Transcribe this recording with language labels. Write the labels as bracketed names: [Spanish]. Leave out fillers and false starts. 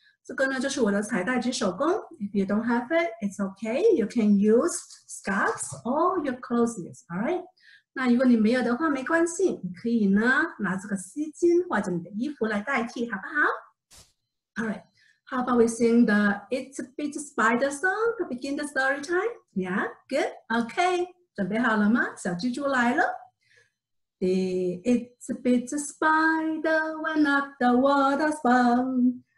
[Chinese] 这个呢就是我的彩带及手工。 [English] If you don't have it, it's okay. You can use scarves or your clothes, alright? [Chinese] 那如果你没有的话没关系，你可以呢拿这个丝巾或者你的衣服来代替，好不好？ [English] Alright, how about we sing the It's a Bit Spider song to begin the story time? Yeah, good, okay. [Chinese] 准备好了吗？小蜘蛛来了。 [English] The it's a bit a spider went up the water spout.